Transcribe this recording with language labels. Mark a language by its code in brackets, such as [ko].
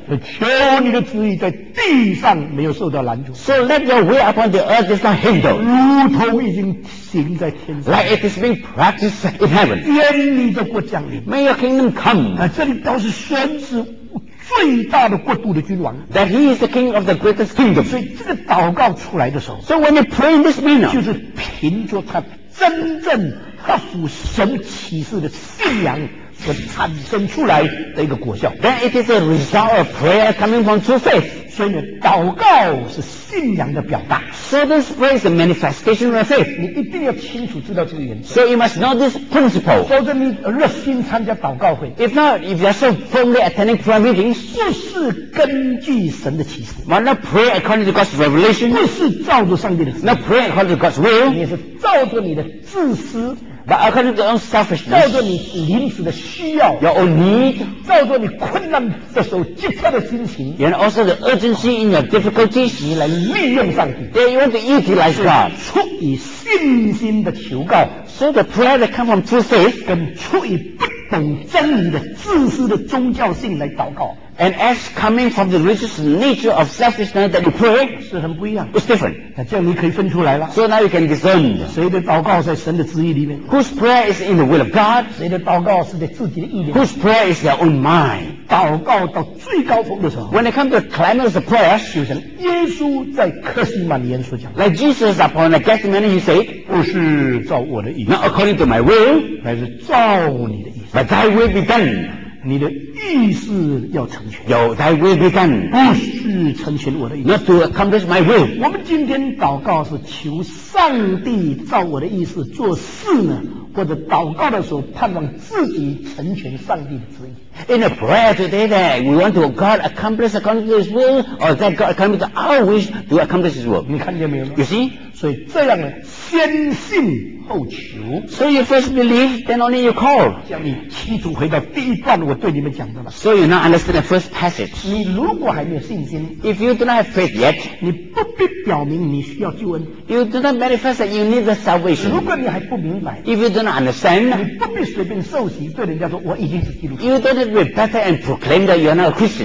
[zh] 求你的旨意在地上没有受到拦阻。 [en] So let your way upon the earth is not hindered， [zh] 如同已经行在天上。 [en] Like it is being practiced in heaven， [zh] 愿你的国降临。 [en] May your kingdom come。 [zh] 这里都是宣旨最大的国度的君王。 [en] That he is the king of the greatest kingdom。 [zh] 所以这个祷告出来的时候， [en] So when you pray in this manner， [zh] 就是凭着他真正合乎神启示的信仰所产生出来的一个果效。 [en] Then it is a result of prayer coming from true faith。 [zh] 所以祷告是信仰的表达。 [en] So this prayer is a manifestation of faith。 [zh] 你一定要清楚知道这个原则。 [en] So you must know this principle。 [zh] 否则你热心参加祷告会， [en] If not, if you are so firmly attending prayer meetings， [zh] 不是根据神的启示， [en] But not pray according to God's revelation， [zh] 不是照着上帝的旨意， [en] Not pray according to God's will， [zh] 你是照着你的自私， [en] But according to your own selfishness， [zh] 照着你临时的需要， [en] your own need， [zh] 照着你困难的时候急迫的心情， [en] and also the urgency in your difficulties， [zh] 你来利用上帝。 [en] Then you want to utilize God， [zh] 出于信心的求告。 [en] So the prayer that comes from true faith， [zh] 跟出于不懂真理的自私的宗教性来祷告。 [en] And as coming from the religious nature of selfishness that you pray， [zh] 是很不一样。 [en] It's different。 [zh] 这样你可以分出来了。 [en] So now you can discern。 [zh] 谁的祷告在神的旨意里面？ [en] Whose prayer is in the will of God？ [zh] 谁的祷告是在自己的意念？ [en] Whose prayer is their own mind？ [zh] 祷告到最高峰的时候， [en] When it comes to the climax of prayer， [zh] 就像耶稣在克西马尼园所讲， [en] Like Jesus upon the Gethsemane he said， [zh] 不是照我的意思， [en] Not according to my will， [zh] 乃是照你的意思。 [en] But thy will be done。 [zh] 你的意思要成全。 [en] 有 thy will be done， [zh] 不是成全我的意思。 [en] Not to accomplish my will。 [zh] 我们今天祷告是求上帝照我的意思做事呢，或者祷告的时候盼望自己成全上帝的旨意。 [en] In a prayer today that we want to God accomplish according to his will, or that God accomplish our wish to accomplish his will。 [zh] 你看见没有吗？ [en] You see？ [zh] 所以这样呢，先信后求。 [en] So you first believe, then only you call. [zh] 将你踢出回到第一段我对你们讲的了。 [en] So you not understand the first passage. [zh] 你如果还没有信心 [en] ，If you do not have faith yet， [zh] 你不必表明你需要救恩。 [en] You do not manifest that you need the salvation。 [zh] 如果你还不明白 [en] ，If you do not understand， [zh] 你不必随便受洗对人家说我已经是基督徒。 [en] You don't repent and proclaim that you are not a Christian。